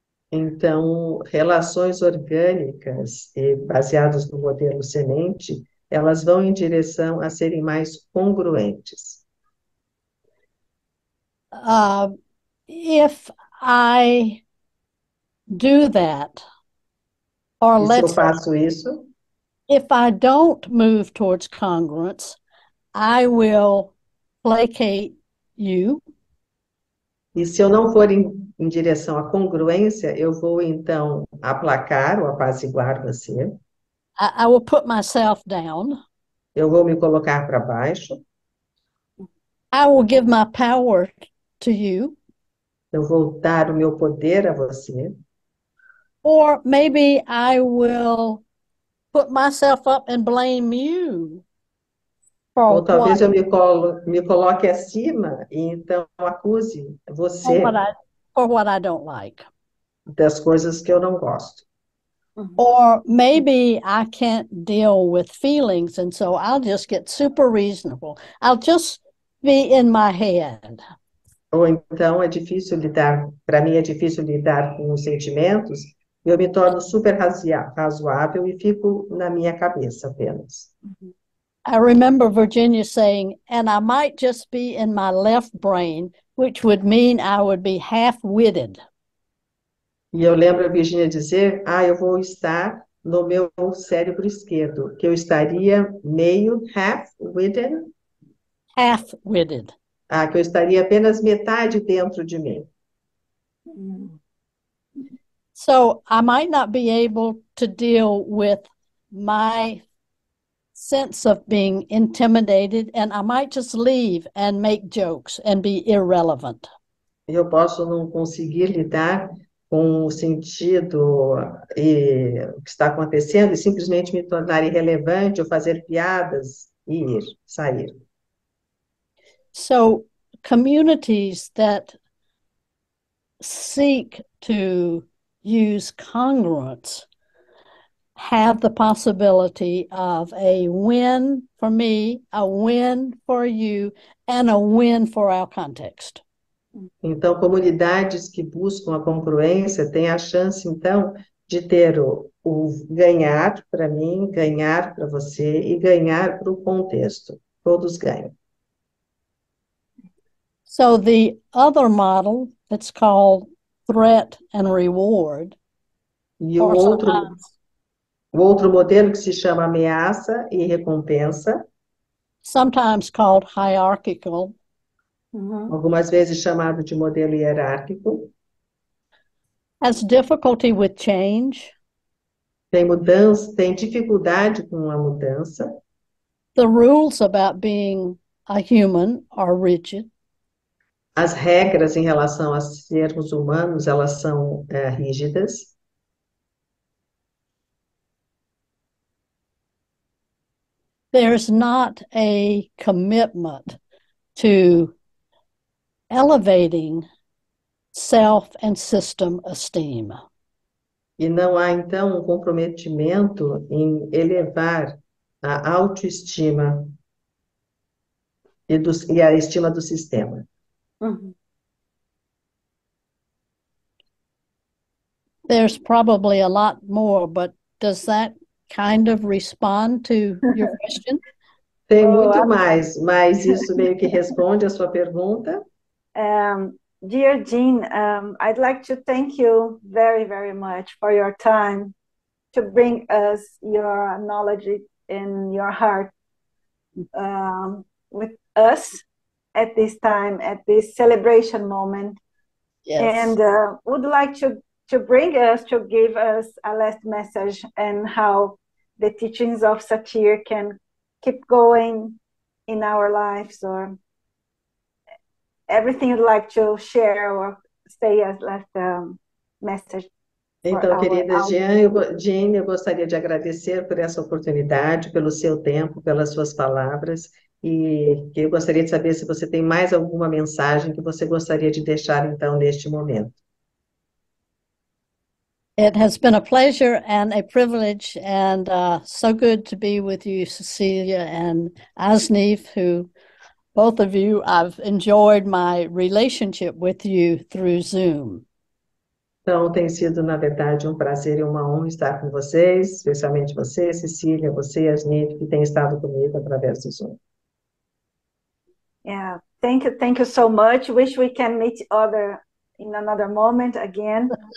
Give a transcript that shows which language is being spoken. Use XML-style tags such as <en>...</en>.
<pt>Então, relações orgânicas e baseadas no modelo semente, elas vão em direção a serem mais congruentes.</pt> <en>If I do that, or</en> <pt>e</pt> <en>let's</en> <pt>se eu faço isso?</pt> <en>If I don't move towards congruence, I will placate you.</en> <pt>E se eu não for em direção à congruência, eu vou então aplacar ou apaziguar você.</pt> <en>I will put myself down.</en> <pt>Eu vou me colocar para baixo.</pt> <en>I will give my power to you.</en> <pt>Eu vou dar o meu poder a você.</pt> <en>Or maybe I will put myself up and blame you.</en> <pt>Ou talvez eu me coloque acima e então acuse você</pt> <en>for what I don't like.</en> <pt>Das coisas que eu não gosto.</pt> <en>Or maybe I can't deal with feelings and so I'll just get super reasonable. I'll just be in my head.</en> <pt>Ou então é difícil lidar, para mim é difícil lidar com os sentimentos, eu me torno super razoável e fico na minha cabeça apenas.</pt> <en>I remember Virginia saying, and I might just be in my left brain, which would mean I would be half-witted.</en> <pt>E eu lembro a Virginia dizer, ah, eu vou estar no meu cérebro esquerdo, que eu estaria meio</pt> <en>half-witted. Half-witted.</en> <pt>Ah, que eu estaria apenas metade dentro de mim.</pt> <en>So I might not be able to deal with my sense of being intimidated, and I might just leave and make jokes and be irrelevant.</en> <pt>Eu posso não conseguir lidar com o sentido e o que está acontecendo e simplesmente me tornar irrelevante ou fazer piadas e ir, sair.</pt> <en>So, communities that seek to use congruence have the possibility of a win for me, a win for you, and a win for our context.</en> <pt>Então, comunidades que buscam a congruência têm a chance, então, de ter o ganhar para mim, ganhar para você e ganhar para o contexto. Todos ganham.</pt> <en>So the other model, it's called threat and reward,</en> <pt>E</pt> <en>or sometimes</en> <pt>o outro modelo que se chama ameaça e recompensa.</pt> <en>Sometimes called hierarchical.</en> <pt>Algumas vezes chamado de modelo hierárquico.</pt> <en>Has difficulty with change.</en> <pt>Tem mudança, tem dificuldade com a mudança.</pt> <en>The rules about being a human are rigid.</en> <pt>As regras em relação a sermos humanos, elas são rígidas.</pt> <en>There's not a commitment to elevating self and system esteem.</en> <pt>E não há, então, um comprometimento em elevar a autoestima e a estima do sistema.</pt> <en>There's probably a lot more, but does that kind of respond to your question?</en> <pt>Tem muito mais, mas isso meio que responde a sua pergunta.</pt> <en>Dear Jean, I'd like to thank you very, very much for your time to bring us your knowledge in your heart with us at this time, at this celebration moment. Yes. And would like to give us a last message and how the teachings of Satir can keep going in our lives, or everything you'd like to share or say as last message.</en> <pt>Então, querida Jean, eu gostaria de agradecer por essa oportunidade, pelo seu tempo, pelas suas palavras, e eu gostaria de saber se você tem mais alguma mensagem que você gostaria de deixar, então, neste momento.</pt> <en>It has been a pleasure and a privilege, and so good to be with you, Cecilia and Aznive, who, both of you, I've enjoyed my relationship with you through Zoom.</en> <pt>Então, tem sido, na verdade, um prazer e uma honra estar com vocês, especialmente você, Cecília, você, Aznive, que tem estado comigo através do Zoom.</pt> <en>Yeah, thank you so much. Wish we can meet other in another moment again.</en>